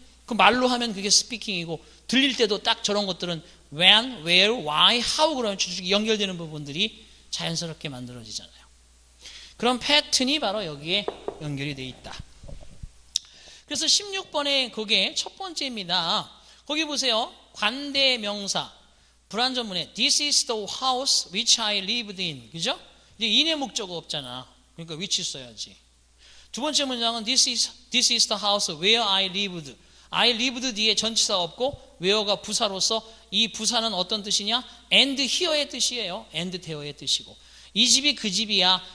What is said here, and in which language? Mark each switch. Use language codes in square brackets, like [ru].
[ko] 그 말로 하면 그게 스피킹이고 들릴 때도 딱 저런 것들은 when, where, why, how 그러면 쭉 연결되는 부분들이 자연스럽게 만들어지잖아요. 그런 패턴이 바로 여기에 연결이 돼 있다. 그래서 16번에 그게 첫 번째입니다. 거기 보세요. 관대명사. 불완전문에 [en] This is the house which I lived in. [ko] 그죠? 이제 인의 목적어 없잖아. 그러니까 [en] which [ko] 써야지. 두 번째 문장은 [en] this is the house where I lived. [ko] I lived 뒤에 전치사 없고 where가 부사로서 이 부사는 어떤 뜻이냐? And here의 뜻이에요. And there의 뜻이고. 이 집이 그 집이야.